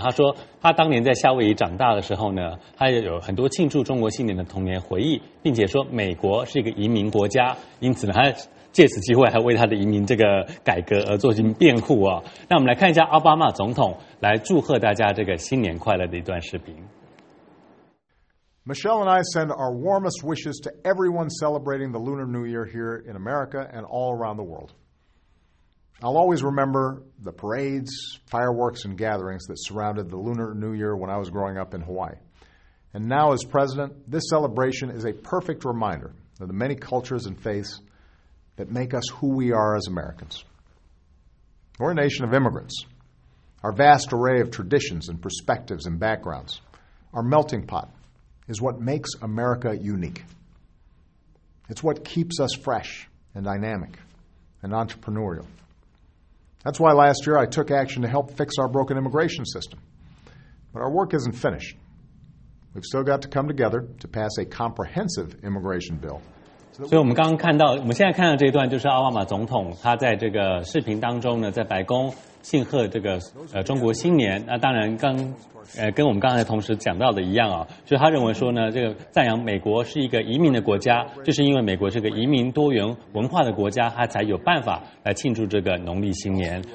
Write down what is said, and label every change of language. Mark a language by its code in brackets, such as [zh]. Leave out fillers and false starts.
[zh] 他说他当年在夏威夷长大的时候呢，他也有很多庆祝中国新年的童年回忆，并且说美国是一个移民国家，因此呢，他借此机会还为他的移民这个改革而做进辩护啊、哦。那我们来看一下奥巴马总统来祝贺大家这个新年快乐的一段视频。 [en] Michelle and I send our warmest wishes to everyone celebrating the Lunar New Year here in America and all around the world. I'll always remember the parades, fireworks, and gatherings that surrounded the Lunar New Year when I was growing up in Hawaii. And now as president, this celebration is a perfect reminder of the many cultures and faiths that make us who we are as Americans. We're a nation of immigrants. Our vast array of traditions and perspectives and backgrounds, our melting pot,is what makes America unique. It's what keeps us fresh and dynamic and entrepreneurial. That's why last year I took action to help fix our broken immigration system. But our work isn't finished. We've still got to come together to pass a comprehensive immigration bill. [zh] 所以我们刚刚看到，我们现在看到这一段，就是奥巴马总统他在这个视频当中呢，在白宫庆贺这个中国新年。那当然跟我们刚才同时讲到的一样啊，就他认为说呢，这个赞扬美国是一个移民的国家，就是因为美国是个移民多元文化的国家，他才有办法来庆祝这个农历新年。